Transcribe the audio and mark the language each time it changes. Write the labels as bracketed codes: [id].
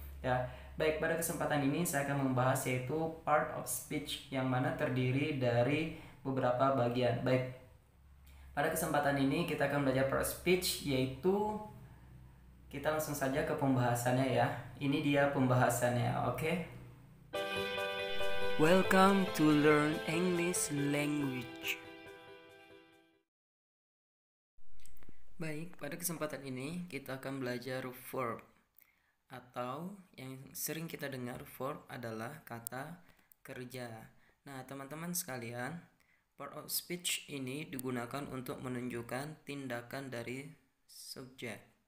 [id] Ya, baik, pada kesempatan ini saya akan membahas yaitu part of speech yang mana terdiri dari beberapa bagian. Baik. Pada kesempatan ini kita akan belajar part speech yaitu kita langsung saja ke pembahasannya ya. Ini dia pembahasannya, oke? [en] Welcome to learn English language. [id] Baik, pada kesempatan ini kita akan belajar verb atau yang sering kita dengar verb adalah kata kerja. Nah, teman-teman sekalian, part of speech ini digunakan untuk menunjukkan tindakan dari subjek.